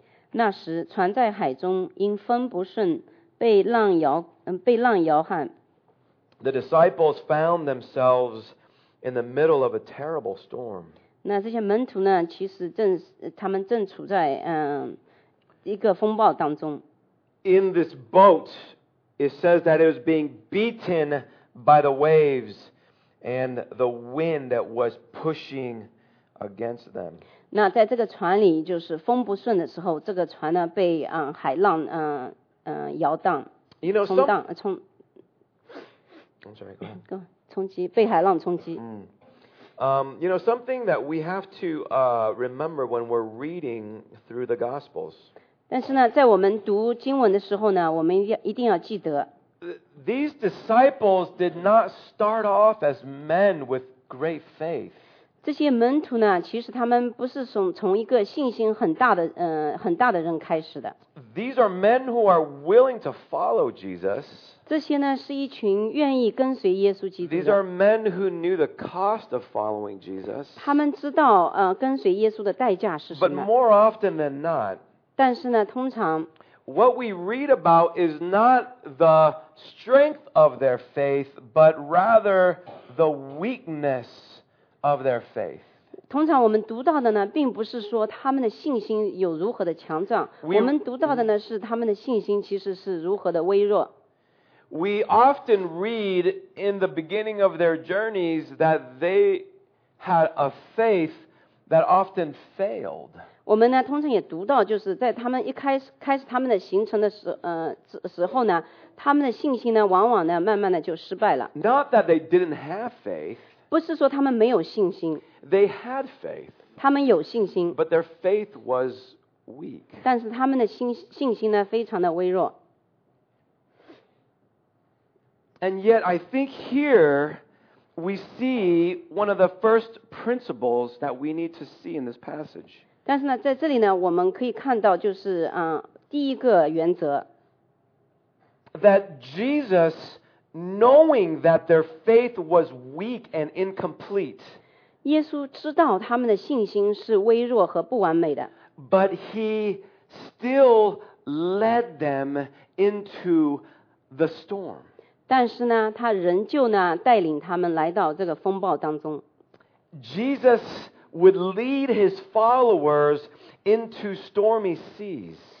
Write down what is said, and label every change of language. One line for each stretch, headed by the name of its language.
Chinese: 那时船在海中，因风不顺，被浪摇撼。
English: The disciples found themselves in the middle of a terrible storm.
Chinese: 那这些门徒呢，其实他们正处在一个风暴当中。
English: In this boat, it says that it was being beaten by the waves and the wind that was pushing against them.
Chinese: 那在这个船里，就是风不顺的时候，这个船呢被海浪摇荡。
English: You know,
Chinese: 冲荡冲。
English: I'm sorry, go ahead.
Chinese: 冲击，被海浪冲击。
English: You know, something that we have to remember when we're reading through the Gospels.
Chinese: 但是呢，在我们读经文的时候呢，我们一定要记得。
English: These disciples did not start off as men with great faith.
Chinese: 这些门徒呢，其实他们不是从一个信心很大的人开始的。
English: These are men who are willing to follow Jesus.
Chinese: 这些呢，是一群愿意跟随耶稣基督的。
English: These are men who knew the cost of following Jesus.
Chinese: 他们知道跟随耶稣的代价是什么。
English: But more often than not,
Chinese: 但是呢，通常
English: what we read about is not the strength of their faith, but rather the weakness of their faith.
Chinese: 通常我们读到的呢，并不是说他们的信心有如何的强壮，我们读到的呢，是他们的信心其实是如何的微弱。
English: We often read in the beginning of their journeys that they had a faith that often failed.
Chinese: 我们呢，通常也读到，就是在他们一开始他们的行程的时候呢，他们的信心呢，往往呢，慢慢的就失败了。
English: Not that they didn't have faith.
Chinese: 不是说他们没有信心。
English: They had faith.
Chinese: 他们有信心。
English: But their faith was weak.
Chinese: 但是他们的信心呢，非常的微弱。
English: And yet, I think here we see one of the first principles that we need to see in this passage.
Chinese: 但是呢，在这里呢，我们可以看到，就是第一个原则。
English: That Jesus, knowing that their faith was weak and incomplete,
Chinese: 耶稣知道他们的信心是微弱和不完美的。
English: But he still led them into the storm.
Chinese: 但是呢，他仍旧呢带领他们来到这个风暴当中。
English: Jesus. Would lead his followers into stormy seas.